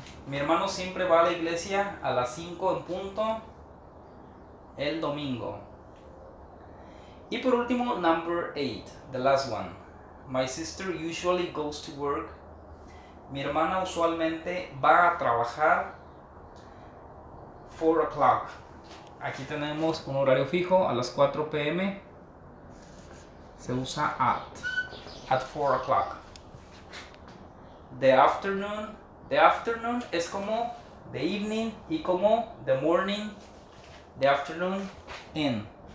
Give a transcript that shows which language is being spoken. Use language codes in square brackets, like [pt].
[es] Mi hermano siempre va a la iglesia a las 5 en punto el domingo. Y por último, [en] number 8, the last one. My sister usually goes to work. [es] Mi hermana usualmente va a trabajar [en] 4 o'clock. [es] Aquí tenemos un horario fijo a las 4 p.m. Se usa [en] at 4 o'clock. The afternoon [es] es como [en] the evening [es] y como [en] the morning, the afternoon in.